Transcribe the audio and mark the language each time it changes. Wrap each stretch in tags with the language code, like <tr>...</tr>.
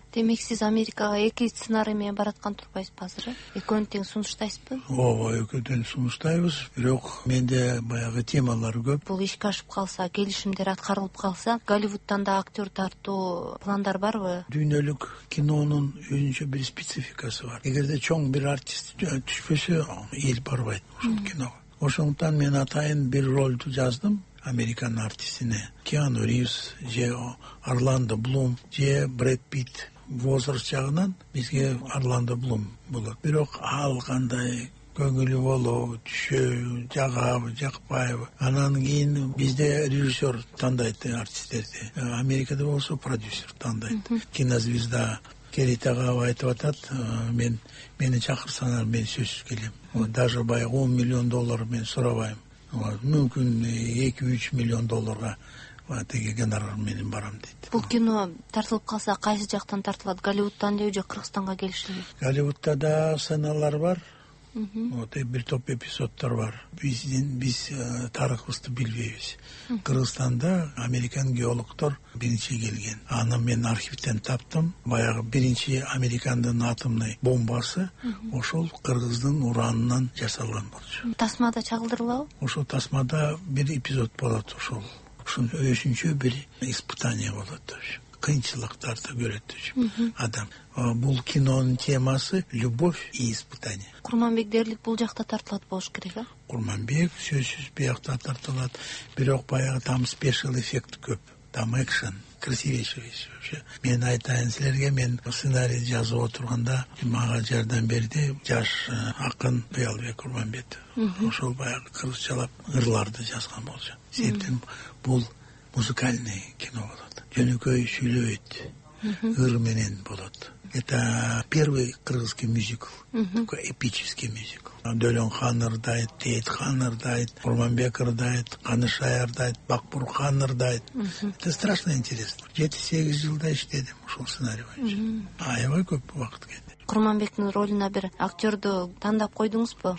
<ky>Демек сиз Америкага 2 сценарий менен бараткан турбайсызбы азыр? Экөөнү тең сунуштайсызбы? Ооба, экөөнү тең сунуштайбыз, бирок менде баягы темалар көп. Бул ишке ашып калса, келишимдер аткарылып калса, Голливуддан да актер тартуу пландар барбы? Дүйнөлүк кинонун өзүнчө бир спецификасы бар. Эгерде чоң бир артист түшпөсө, эл барбайт ушул киного. Ошондуктан мен атайын бир ролду жаздым. Американ артистине Киану Ривз же Орландо Блум же Брэд Питт возраст жагынан бизге Орландо Блум болот. Бирок ал кандай көңүлү болобу, түшөбү, жагабы, жакпайбы, анан кийин бизде режиссер тандайт артисттерди. Америкада болсо продюсер тандайт. Кинозвезда Керит ага айтып атат, мени чакырсаңар мен сөзсүз келем. Даже баягы 10 миллион доллар мен сурабайм. Мүмкүн 2-3 миллион долларга Тиги гендарлар менен барам дейт. Бул кино тартылып калса, кайсы жактан тартылат? Голливудтан дейби же Кыргызстанга келишиби? Голливудта да сценалар бар. Вот бир топ эпизодтор бар. Биз тарыхыбызды билбейбиз. Кыргызстанда американ геологтор биринчи келген. Аны мен архивден таптым. Баягы биринчи американдын атомный бомбасы ошол кыргыздын уранынан жасалган болчу. Тасмада чагылдырылабы? Ошол тасмада бир эпизод болот ошол. Ушул өзүнчө бир испытание болот. Кыйынчылыктарды көрөт адам. Бул кинонун темасы</ky> <ru>любовь и испытание.</ru> <ky>Курманбек дээрлик бул жакта тартылат болуш керек, э? Курманбек сөзсүз биякта тартылат. Бирок баягы там спешл эффект көп. Там экшен.</ky> <ru>Красивейший.</ru> <ky>Мен айтайын силерге, мен сценарий жазып отурганда мага жардам берди жаш акын Буялбек Курманбетов. Ошол баягы кыргызчалап ырларды жазган болчу. Себептен бул музыкальный кино болот. Жөнөкөй сүйлөйт. Ыр менен болот.</ky> <ru>Это первый кыргызский мюзикл. Такой эпический мюзикл.</ru> <ky>Дөлөн хан ырдайт, Тейт хан ырдайт, Курманбек ырдайт, Канышай ырдайт, Бакбур хан ырдайт.</ky> <ru>Это страшно интересно.</ru> <ky>7-8 жылда иштедим ушул сценарий боюнча. Аябай көп убакыт кетти. Курманбектин ролуна бир актерду тандап койдуңузбу?</ky>